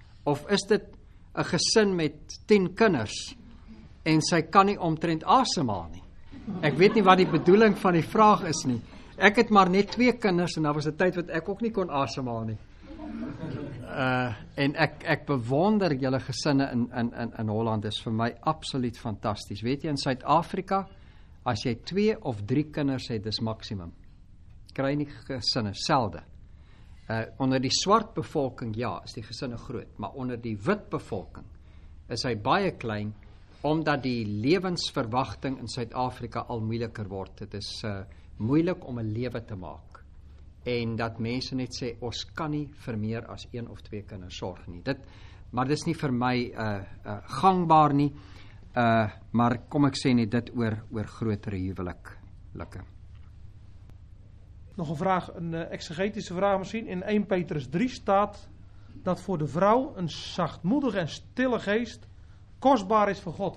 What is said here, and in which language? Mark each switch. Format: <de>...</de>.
<af>Of is dit een gesin met 10 kinders, en sy kan nie omtrent asemhaal nie? Ek weet nie wat die bedoeling van die vraag is nie. Ek het maar net 2 kinders, en daar was die tyd wat ek ook nie kon asemhaal nie. En ek bewonder julle gesinne in Holland, is vir my absoluut fantasties. Weet jy, in Suid-Afrika, as jy 2 of 3 kinders het, is maximum. Kry nie gesinne, selde. Onder die swart bevolking, ja, is die gesinne groot, maar onder die wit bevolking is hy baie klein, omdat die lewensverwagting in Suid-Afrika al moeiliker word. Het is moeilik om 'n lewe te maak. En dat mense net sê, ons kan nie vir meer as 1 of 2 kinders sorg nie. Dit is nie vir my gangbaar nie, maar kom ek sê nie, dit oor grotere huwelike.</af> <nl>Nog een vraag, een exegetische vraag misschien. In 1 Petrus 3 staat dat voor de vrouw een zachtmoedige en stille geest kostbaar is voor God.</nl>